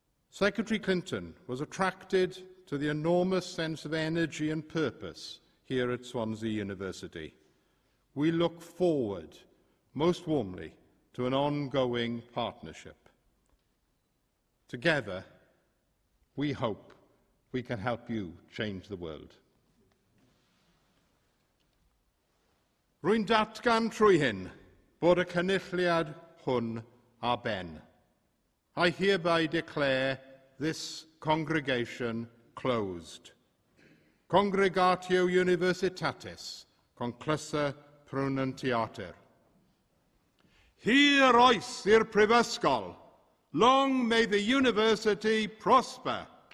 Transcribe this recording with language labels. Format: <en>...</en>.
<en>Secretary Clinton was attracted to the enormous sense of energy and purpose here at Swansea University. We look forward most warmly to an ongoing partnership. Together, we hope we can help you change the world.</en> <cy>Rwy'n datgan trwy hyn bod y cynulliad hwn ar ben.</cy> <en>I hereby declare this congregation closed.</en> <la>Congregatio Universitatis, conclusa pronuntiater.</la> <cy>Hir oes i'r prifysgol.</cy> <en>Long may the university prosper.</en>